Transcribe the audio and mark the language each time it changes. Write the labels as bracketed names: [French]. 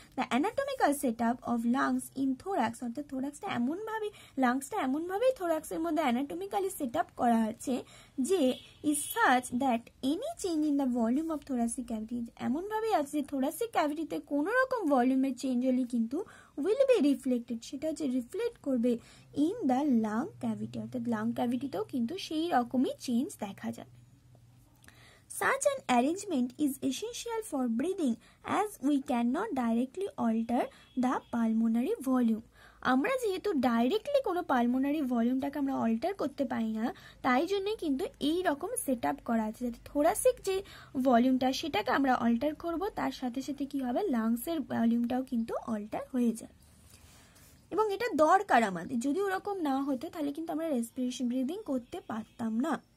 [English] the anatomical set up of lungs in thorax, [Bangla] অর্থাৎ থোরাক্সটা এমনভাবে, লাংসটা এমনভাবেই থোরাক্সের মধ্যে অ্যানাটমিক্যালি সেট আপ করা আছে যে [English] is such that any change in the volume of thoracic cavity, [Bangla] এমনভাবেই আছে যে থোরাসিক ক্যাভিটিতে কোনো রকম ভলিউমে চেঞ্জ হলে কিন্তু [English] will be reflected, [Bangla] সেটা হচ্ছে রিফ্লেক্ট করবে [English] in the lung cavity, [Bangla] অর্থাৎ লাং ক্যাভিটিতেও কিন্তু সেই রকমই চেঞ্জ দেখা যাবে। [English] Such an arrangement is essential for breathing as we cannot directly alter the pulmonary volume. [Bangla] আমরা যেহেতু ডাইরেক্টলি কোনো পালমোনারি ভলিউমটাকে আমরা অল্টার করতে পাই না, তাই জন্যে কিন্তু এই রকম সেট আপ করা আছে যাতে থোরাসিক যে ভলিউমটা সেটাকে আমরা অল্টার করব, তার সাথে সাথে কি হবে, লাংসের ভলিউমটাও কিন্তু অল্টার হয়ে যায়। এবং এটা দরকার আমাদের, যদি ওরকম না হতো তাহলে কিন্তু আমরা রেসপিরেশন ব্রিদিং করতে পারতাম না।